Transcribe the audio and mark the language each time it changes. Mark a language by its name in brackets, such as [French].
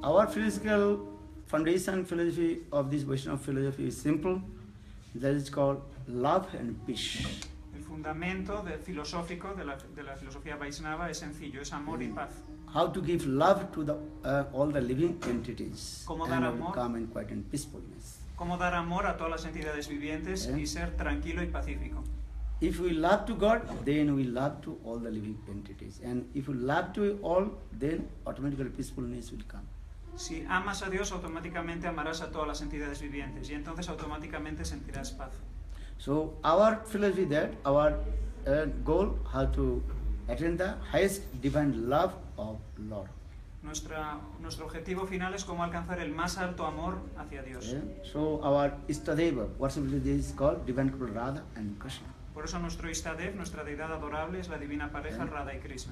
[English] Our philosophical foundation philosophy of this version of philosophy is simple. That is called love and peace. [Spanish] El fundamento filosófico de la filosofía Vaishnava es sencillo, es amor y paz. [English] how to give love to the all the living entities [Spanish] cómo [English] and [Spanish] dar amor, [English] calm and quiet and peacefulness. [Spanish] Cómo dar amor a todas las entidades vivientes y ser tranquilo y pacífico. [English] If we love to God, then we love to all the living entities. And if we love to all, then automatically peacefulness will come. [Spanish] Si amas a Dios, automáticamente amarás a todas las entidades vivientes y entonces automáticamente sentirás paz. [English] So our philosophy that our goal how to attain the highest divine love of Lord. [Spanish] Nuestro objetivo final es cómo alcanzar el más alto amor hacia Dios. [English] So our Istadeva, worship is called Divine Couple Radha and Krishna. [Spanish] Por eso nuestro Istadev, nuestra deidad adorable, es la divina pareja Radha y Krishna.